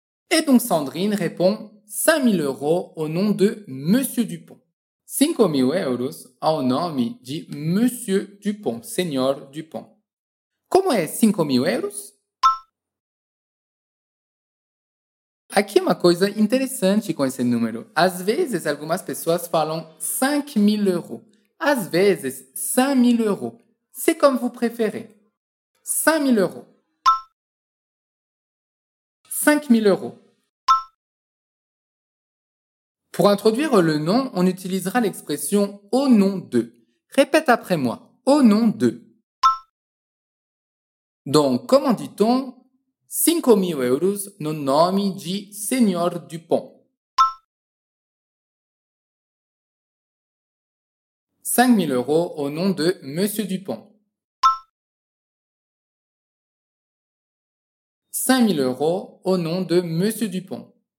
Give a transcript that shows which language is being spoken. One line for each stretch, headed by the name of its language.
French: Et donc Sandrine répond 5000 euros au nom de Monsieur Dupont. 5000 euros au nom de Monsieur Dupont, Seigneur Dupont. Comment est 5000 euros?
Portuguese: Aqui é uma coisa interessante com esse número. Às vezes, algumas pessoas falam 5000 euros. Às vezes, 5000 euros.
French: C'est comme vous préférez. 5000 euros. 5000 euros. Pour introduire le nom, on utilisera l'expression au nom de. Répète après moi. Au nom de. Donc, comment dit-on?
Portuguese: 5000 euros no nome de Senhor Dupont.
French: 5000 euros au nom de Monsieur Dupont. 5000 euros au nom de Monsieur Dupont.